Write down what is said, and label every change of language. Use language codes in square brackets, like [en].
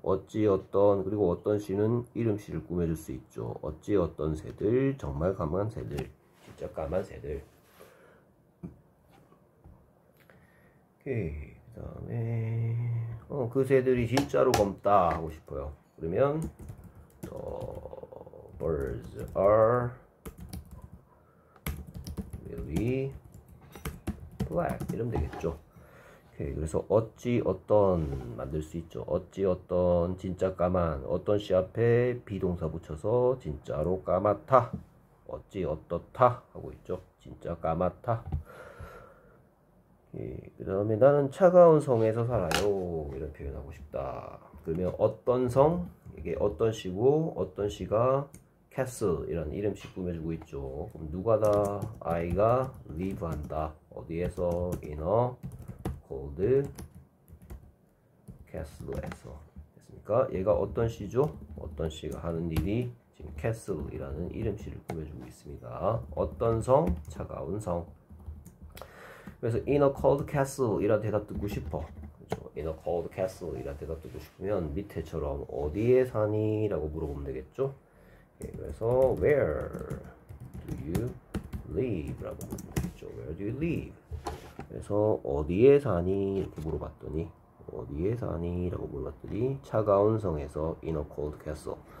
[ko] 어찌 어떤 그리고 어떤 시는 이름 시를 꾸며줄 수 있죠. 어찌 어떤 새들 정말 까만 새들 진짜 까만 새들. 오케이. 그다음에 그 새들이 진짜로 검다 하고 싶어요. 그러면 [en] the birds are really black [ko] 이러면 되겠죠. 그래서 어찌 어떤 만들 수 있죠. 어찌 어떤 진짜 까만, 어떤 씨 앞에 비동사 붙여서 진짜로 까맣다. 어찌 어떻다 하고 있죠. 진짜 까맣다. 그다음에 나는 차가운 성에서 살아요. 이런 표현하고 싶다. 그러면 어떤 성? 이게 어떤 시고 어떤 시가 캐슬 이런 이름씩 꾸며주고 있죠. 그럼 누가다? I가 리브한다. 어디에서? [en] In a cold [ko] 캐슬에서 됐습니까? 얘가 어떤 시죠? 어떤 시가 하는 일이 지금 캐슬이라는 이름씨를 꾸며주고 있습니다. 어떤 성? 차가운 성. 그래서 [en] In a cold castle [ko] 이라 대답 듣고 싶어. In a cold castle 이라 대답 듣고 싶으면 밑에처럼 어디에 사니? 라고 물어보면 되겠죠? 그래서 [en] Where do you live? [ko] 라고 물어보면 되겠죠. [en] Where do you live? [ko] 그래서 어디에 사니? 이렇게 물어봤더니 어디에 사니? 라고 물어봤더니 차가운 성에서 [en] In a cold castle.